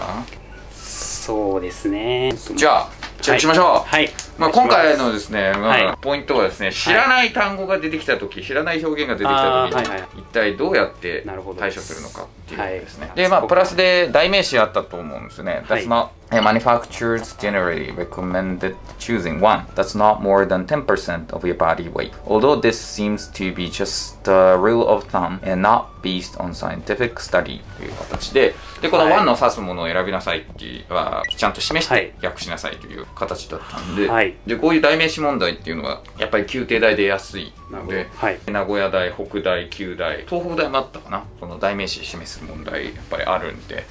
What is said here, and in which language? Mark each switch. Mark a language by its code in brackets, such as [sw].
[ja] はい、そうですね。じゃあチェックしましょう。はい、まあ、今回のですね、まあ、ポイントはですね、知らない単語が出てきた時、はい、知らない表現が出てきた時、一体どうやって対処するのかっていうことですね。で、まあ、プラスで代名詞あったと思うんですね。 [en] はい、Manufacturers generally recommend choosing one that's not more than 10% of your body weight. Although this seems to be just a rule of thumb and not based on scientific study. [ja] という形で、で、この1の指すものを選びなさいっていうは、ちゃんと示して訳しなさいという形だったんで、はい、で、こういう代名詞問題っていうのは、やっぱり宮廷大で安いので、はい、名古屋大、北大、旧大、東北大もあったかな、この代名詞示す問題、やっぱりあるんで、